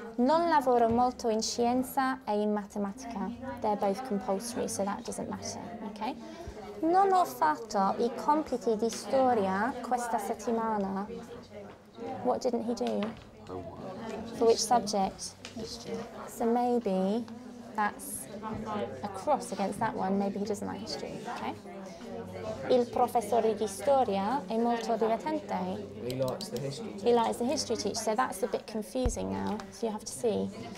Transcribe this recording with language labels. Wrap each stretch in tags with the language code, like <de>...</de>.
<it>Non lavoro molto in scienza e in matematica.</it> <en>They're both compulsory, so that doesn't matter, okay?</en> <it>Non ho fatto I compiti di storia questa settimana.</it> <en>What didn't he do? For which subject? So maybe that's a cross against that one. Maybe he doesn't like history, okay?</en> <it>Il professore di storia è molto divertente.</it> <en>He likes the history teacher. So that's a bit confusing now, so you have to see.</en>